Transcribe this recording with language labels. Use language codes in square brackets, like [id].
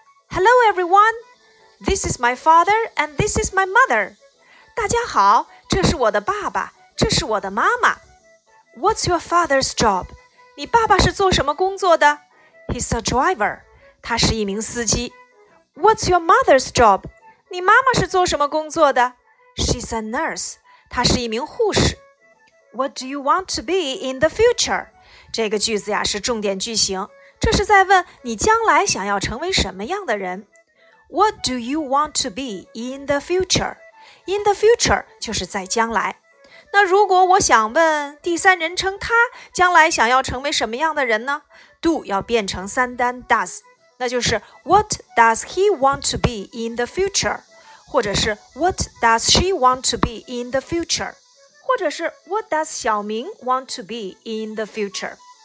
[en] Hello everyone, this is my father and this is my mother. [zh] 大家好，这是我的爸爸，这是我的妈妈。 [en] What's your father's job? [zh] 你爸爸是做什么工作的？ [en] He's a driver. [zh] 他是一名司机。 [en] What's your mother's job? [zh] 你妈妈是做什么工作的？ [en] She's a nurse. [zh] 她是一名护士。 [en] What do you want to be in the future? [zh] 这个句子呀是重点句型，这是在问你将来想要成为什么样的人。 [en] What do you want to be in the future? In the future [zh] 就是在将来。那如果我想问第三人称他将来想要成为什么样的人呢？ [en] Do [zh] 要变成三单 [en] does， [zh] 那就是 [en] What does he want to be in the future? 或者是 What does she want to be in the future? 或者是 What does 小明 want to be in the future?